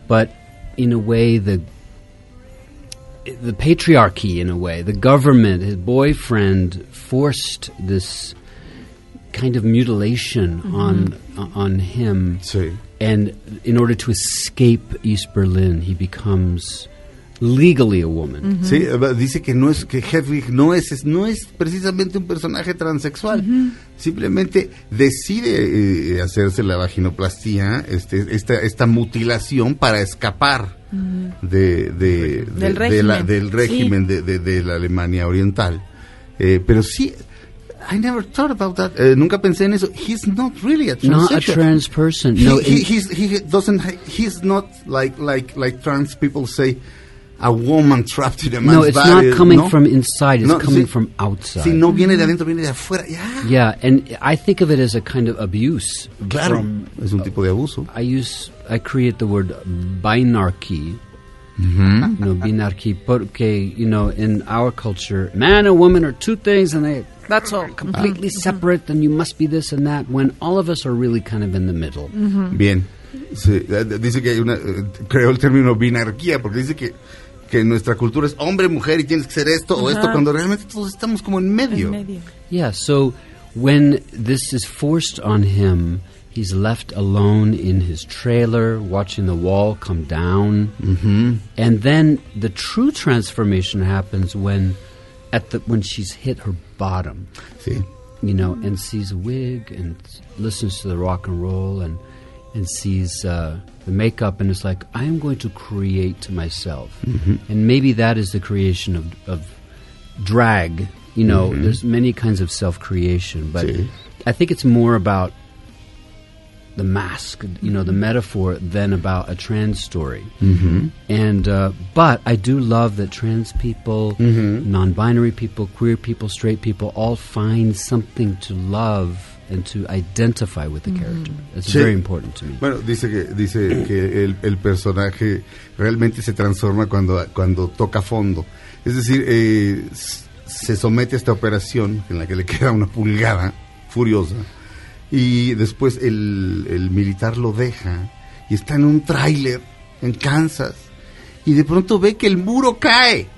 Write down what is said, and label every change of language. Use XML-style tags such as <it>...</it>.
<en>But in a way, the patriarchy, in a way, the government, his boyfriend, forced this kind of mutilation on him.</en> <es>Sí.</es> <en>And in order to escape East Berlin, he becomes... legally a woman. Mm-hmm.</en> <es>Sí, dice que Hedwig no es precisamente un personaje transexual. Mm-hmm. Simplemente decide hacerse la vaginoplastia, esta mutilación para escapar del régimen de la Alemania Oriental. Pero sí,</es> <en>I never thought about that.</en> <es>Nunca pensé en eso.</es> <en>He's not really a transsexual. Not a trans person. He, no, he's not like trans people say. A woman trapped in a man's body. No, it's body, not coming from inside. It's coming from outside.</en> <es>Si no viene de adentro, viene de afuera. Yeah.</es> <en>Yeah, and I think of it as a kind of abuse.</en> <es>Claro. Es un tipo de abuso.</es> <en>I create the word binarchy. Mm-hmm. You know, binarchy. Porque, you know, in our culture, man and woman are two things and they... That's all. Completely separate, and you must be this and that, when all of us are really kind of in the middle. Mm-hmm.</en> <es>Bien. Sí, dice que hay una, creó el término binarquía, porque dice que nuestra cultura es hombre, mujer, y tienes que ser esto o esto, cuando realmente todos estamos como en medio.</es> <en>Yeah, so when this is forced on him, he's left alone in his trailer, watching the wall come down. Mm-hmm. And then the true transformation happens when she's hit her bottom.</en> <es>Sí.</es> <en>You know, and sees a wig, and listens to the rock and roll, and sees the makeup, and is like, I am going to create myself. Mm-hmm. And maybe that is the creation of drag. You know, mm-hmm. There's many kinds of self-creation, but</en> <es>sí.</es> <en>I think it's more about the mask, you know, the metaphor, than about a trans story. Mm-hmm. And but I do love that trans people, mm-hmm. non-binary people, queer people, straight people, all find something to love and to identify with the character. It's</en> <es>sí.</es> <en>very important to me.</en> <es>Bueno, dice que el personaje realmente se transforma cuando toca fondo. Es decir, se somete a esta operación en la que le queda una pulgada furiosa, y después el militar lo deja y está en un tráiler en Kansas, y de pronto ve que el muro cae.</es>